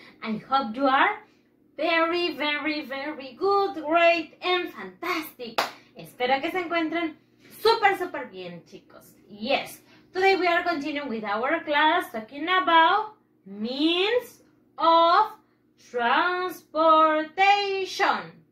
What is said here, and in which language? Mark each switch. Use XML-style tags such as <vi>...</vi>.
<en>I hope you are very, very, very good, great and fantastic.</en> <es>Espero que se encuentren super, super bien, chicos.</es> <en>Yes, today we are continuing with our class talking about means of transportation.</en>